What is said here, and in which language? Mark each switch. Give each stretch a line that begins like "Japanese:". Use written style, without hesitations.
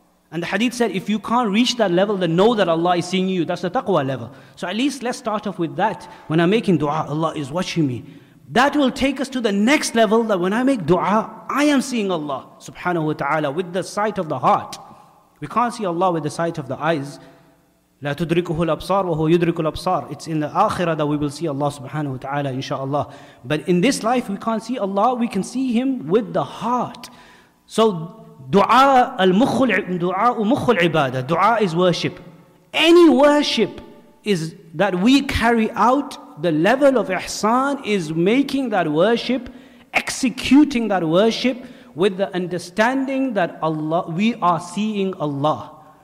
English: And the hadith said, if you can't reach that level, then know that Allah is seeing you. That's the taqwa level. So at least let's start off with that. When I'm making dua, Allah is watching me. That will take us to the next level, that when I make dua, I am seeing Allah subhanahu wa ta'ala with the sight of the heart. We can't see Allah with the sight of the eyes.
Arabic: لا تدركه الأبصار وهو يدرك الأبصار.
English: It's in the akhirah that we will see Allah subhanahu wa ta'ala inshaAllah. But in this life, we can't see Allah. We can see Him with the heart. So dua is worship. Any worship is that we carry out, the level of ihsan is making that worship, executing that worship with the understanding that Allah, we are seeing Allah.